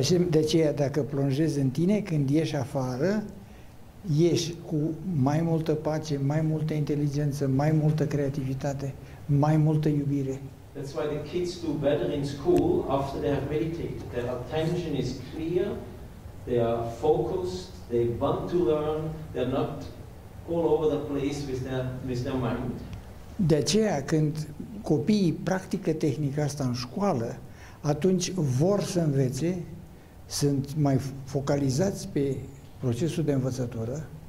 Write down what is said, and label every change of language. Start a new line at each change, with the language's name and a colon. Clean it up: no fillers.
Romanian: De aceea, dacă plonjezi în tine, când ieși afară, ieși cu mai multă pace, mai multă inteligență, mai multă creativitate, mai multă iubire.
English: That's why the kids do better in school after they have meditated. Their attention is clear, they are focused, they want to learn, they're not all over the place with their mind.
Romanian: De aceea, când copiii practică tehnica asta în școală, atunci vor să învețe, sunt mai focalizați pe procesul de învățătură.